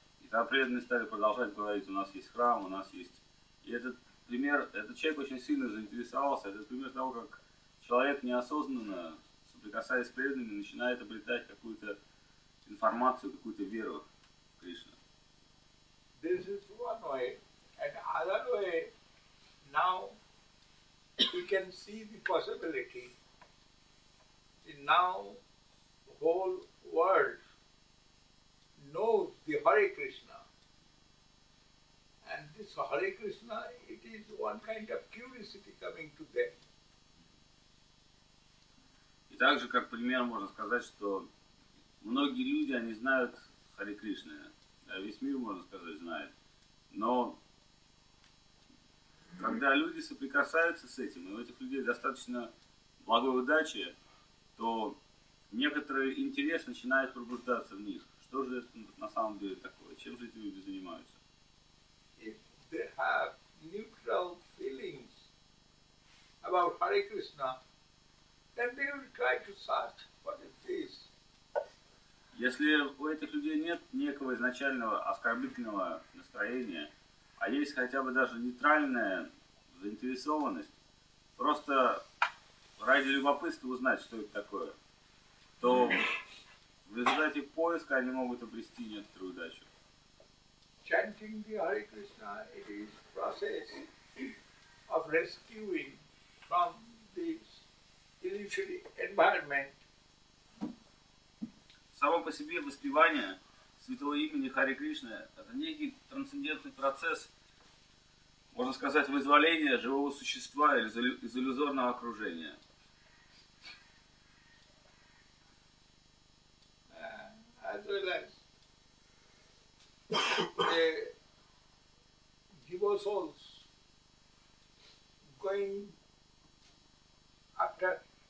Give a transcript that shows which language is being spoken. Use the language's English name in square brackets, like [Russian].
[Russian] Когда преданные стали продолжать говорить, у нас есть храм, у нас есть... И этот пример, этот человек очень сильно заинтересовался, этот пример того, как человек неосознанно, соприкасаясь с преданными, начинает обретать какую-то информацию, какую-то веру в Кришну. [English] This is one way. And other way, now we can see the possibility. And now whole world knows the Hare Krishna. And this Hare Krishna, it is one kind of curiosity coming to them. [Russian] И также, как пример, можно сказать, что многие люди, они знают Hare Krishna. Да, весь мир, можно сказать, знает. Но когда люди соприкасаются с этим, и у этих людей достаточно благой удачи, то некоторый интерес начинает пробуждаться в них. Что же это на самом деле такое? Чем же эти люди занимаются? [English] If they have neutral feelings about Hare Krishna, then they will try to search for the peace. [Russian] Если у этих людей нет некого изначального оскорбительного настроения, а есть хотя бы даже нейтральная заинтересованность, просто ради любопытства узнать, что это такое, то в результате поиска они могут обрести некоторую удачу. [English] Chanting the Hare Krishna is a process of rescuing from this illusory environment. [Russian] Само по себе воспевание святого имени Харе Кришны – это некий трансцендентный процесс, можно сказать, вызволения живого существа из иллюзорного окружения. [English] As well as the devo souls going after